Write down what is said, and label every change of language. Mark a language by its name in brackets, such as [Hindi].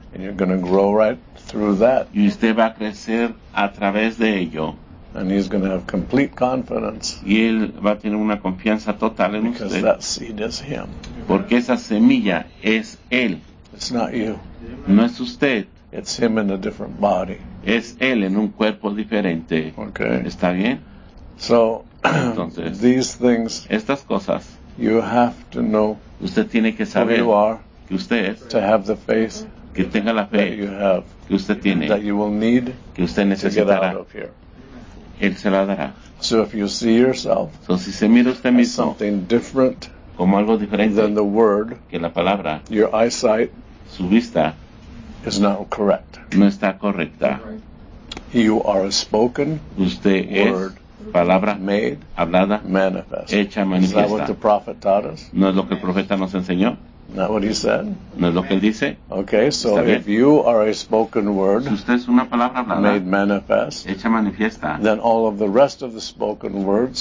[English] And you're going to grow right through that. [Spanish] Y usted va a crecer a través de ello. [English] And he's going to have complete confidence. [Spanish] Y él va a tener una confianza total en [English] because [Spanish] usted. [English] That seed is him. [Spanish] Porque esa semilla es él. [English] It's not you. [Spanish] No es usted. [English] It's him in a different body. [Spanish] Es él en un cuerpo diferente. [English] Okay. [Spanish] ¿Está bien? [English] So, [Spanish] entonces, [English] these things, [Spanish] estas cosas, [English] you have to know [Spanish] usted tiene que saber [English] who you are [Spanish] que usted [English] to have the faith [Spanish] que tenga la fe [English] that you have [Spanish] que usted tiene, [English] that you will need [Spanish] que usted necesitará. [English] To get out of here. [Spanish] Él se la dará. [English] So if you see yourself [Spanish] si se mira usted mismo, [English] as something different [Spanish] como algo diferente [English] than the word, [Spanish] que la palabra, [English] your eyesight [Spanish] su vista, [English] is not correct. [Spanish] No está correcta. [English] You are a spoken [Spanish] usted [English] word [Spanish] palabra [English] made [Spanish] hablada, [English] manifest. [Spanish] Hecha manifiesta. [English] Is that what the prophet taught us? [Spanish] ¿No es lo que el profeta nos enseñó? [English] Not what he said. [Spanish] No es lo que él dice. [English] Okay, so if you are a spoken word, [Spanish] si usted es una palabra hablada, [English] made manifest, [Spanish] hecha manifiesta, [English] then all of the rest of the spoken words,